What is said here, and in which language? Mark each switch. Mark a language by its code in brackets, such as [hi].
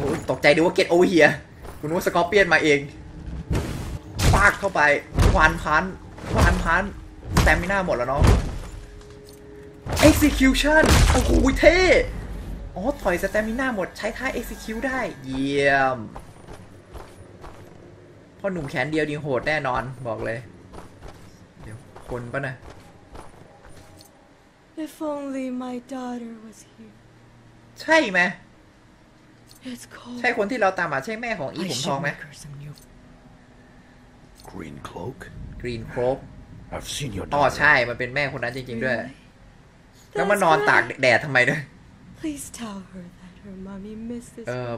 [th] ตกใจดูว่าเก็ตโอเฮียคุณว่าสกอร์เปียนมาเองปากเข้าไปควานพันควานพันสแตมินาหมดแล้วเนาะ execution โอ้โหเท่อ๋อถอยสแตมินาหมดใช้ท่า execute ได้เยี่ยมพ่อหนุ่มแขนเดียวดีโหดแน่นอนบอกเลยเดี๋ยวคนป่ะนะ [en] if only my daughter was here [th] ใช่ไหมใช่คนที่เราตามมาใช่แม่ของอีผมทองไหม [en] Green cloak Green cloak I've seen your daughter. [th] อ๋อใช่มันเป็นแม่คนนั้นจริงๆด้วยแล้วมานอนตากแดดทำไมด้วย [en] Please tell her that her mommy misses her.